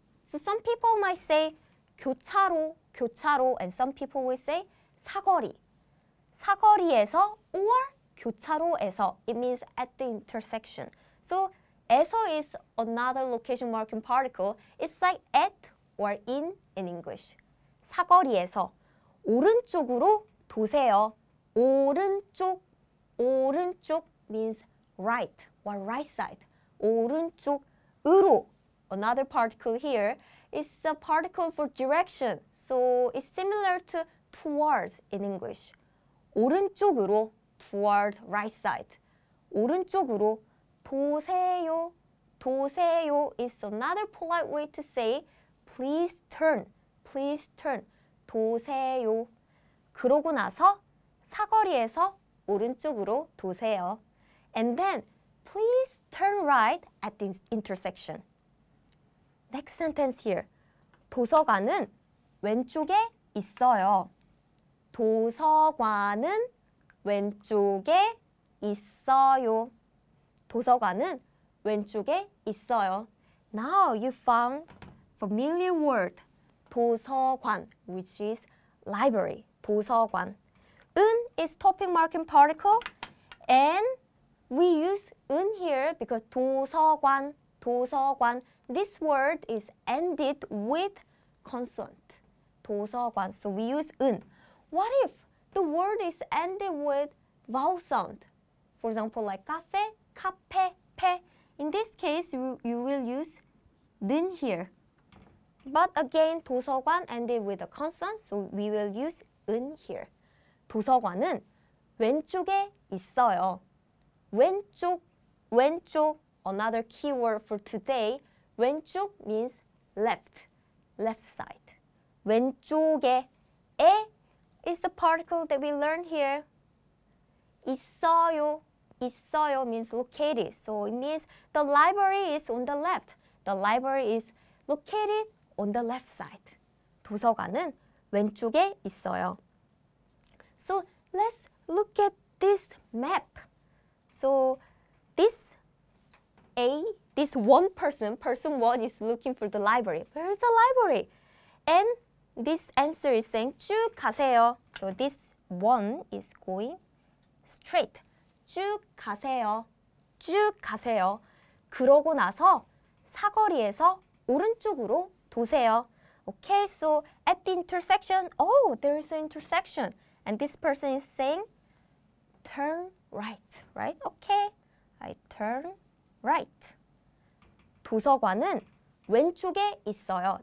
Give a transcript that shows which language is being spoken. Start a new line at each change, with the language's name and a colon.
English: So some people might say 교차로, 교차로, and some people will say 사거리.
Korean: 사거리에서 or 교차로에서.
English: It means at the intersection. So 에서 is another location marking particle. It's like at or in English.
Korean: 사거리에서 오른쪽으로 도세요.
English: 오른쪽, 오른쪽 means right or right side. 오른쪽으로. Another particle here is a particle for direction. So it's similar to towards in English.
Korean: 오른쪽으로,
English: toward right side.
Korean: 오른쪽으로 도세요.
English: 도세요 is another polite way to say please turn. Please turn.
Korean: 도세요. 그러고 나서 사거리에서 오른쪽으로 도세요.
English: And then please turn right at the intersection. Next sentence here.
Korean: 도서관은 왼쪽에 있어요. 도서관은 왼쪽에 있어요. 도서관은 왼쪽에 있어요.
English: Now you found familiar word 도서관, which is library. 도서관. 은 is topic marking particle, and we use 은 here because 도서관, 도서관. This word is ended with consonant. 도서관. So we use 은. What if the word is ended with vowel sound? For example, like cafe, cafe, pe. In this case, you will use 는 here. But again, 도서관 ended with a consonant, so we will use 은 here.
Korean: 도서관은 왼쪽에 있어요.
English: 왼쪽, 왼쪽. Another keyword for today. 왼쪽 means left, left side. 왼쪽에, 에 is the particle that we learned here. 있어요, 있어요 means located. So it means the library is on the left. The library is located on the left side.
Korean: 도서관은 왼쪽에 있어요.
English: So let's look at this map. So this A, this one person, person one is looking for the library. Where is the library? And this answer is saying
Korean: 쭉 가세요.
English: So this one is going straight.
Korean: 쭉 가세요. 쭉 가세요. 그러고 나서 사거리에서 오른쪽으로 도세요.
English: Okay, so at the intersection, oh, there is an intersection. And this person is saying, turn right, right? Okay, I turn right.
Korean: 도서관은 왼쪽에 있어요.